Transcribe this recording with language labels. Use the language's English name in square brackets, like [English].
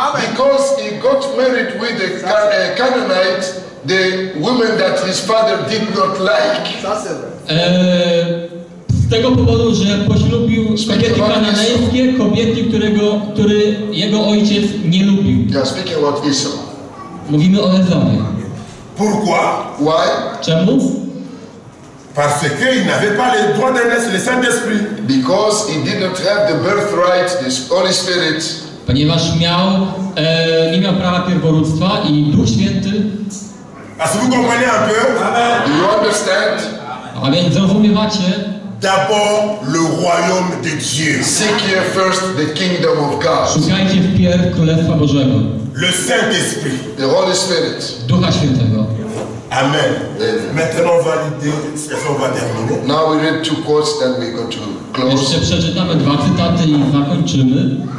[English] Because he got married with a Canaanite, the woman that his father did not like. [Polish] Z tego powodu, że poślubił kobiety kananejskie, kobiety, które jego ojciec nie lubił. [English] Yeah, speaking about Esau. [Polish] Mówimy o Ezawie. [French] Pourquoi? [English] Why? [Polish] Czemu? [French] Parce que il n'avait pas le droit de naître le Saint-Esprit. [English] Because he did not have the birthright, the Holy Spirit. [Polish] Ponieważ miał nie miał prawa pierworództwa i Duch Święty. [French] Est-ce que vous comprenez un peu? [English] Do you understand? [Polish] A więc zrozumiewacie? [French] D'abord le royaume de Dieu. [English] Seek ye first the kingdom of God. [Polish] Szukajcie wpierw Królestwa Bożego. [French] Le Saint-Esprit. [English] The Holy Spirit. [Polish] Ducha Świętego. [French] Amen. Maintenant on va lire, on va terminer. [English] Now we read two quotes, then we go to close. [Polish] Jeszcze przeczytamy dwa cytaty i zakończymy.